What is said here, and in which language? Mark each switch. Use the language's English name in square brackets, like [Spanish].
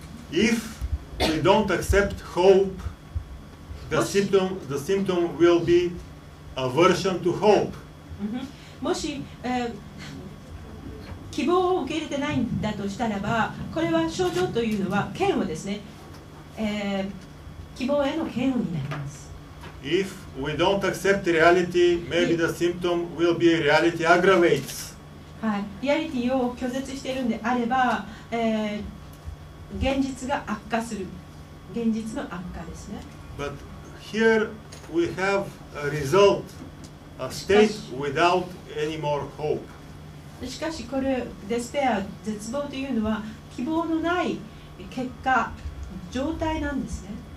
[English] If we don't accept hope, the symptom will be aversion to hope. [Japanese] もし、希望を受け入れてないんだとしたらば、これは症状というのは嫌悪ですね。希望への嫌悪になります。 [English] If we don't accept reality, maybe the symptom will be reality aggravates. [Japanese] はい、リアリティを拒絶しているんであれば、現実が悪化する、現実の悪化ですね。 [English] But here we have a result, a state without any more hope. [Japanese] しかしこれ、デスペア、絶望というのは希望のない結果、状態なんですね。